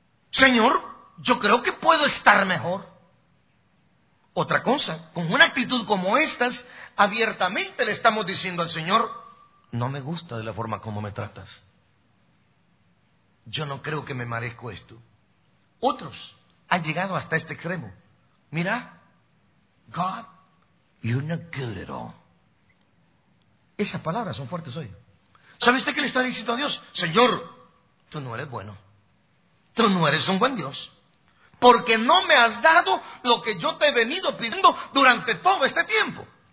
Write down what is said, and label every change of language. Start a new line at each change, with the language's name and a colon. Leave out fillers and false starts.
Spanish: Señor, yo creo que puedo estar mejor. Otra cosa, con una actitud como estas, abiertamente le estamos diciendo al Señor, no me gusta de la forma como me tratas. Yo no creo que me merezco esto. Otros han llegado hasta este extremo.
English: Mira, God, you're not good at all.
Spanish: Esas palabras son fuertes hoy. ¿Sabe usted qué le está diciendo a Dios? Señor, tú no eres bueno. Tú no eres un buen Dios. Porque no me has dado lo que yo te he venido pidiendo durante todo este tiempo.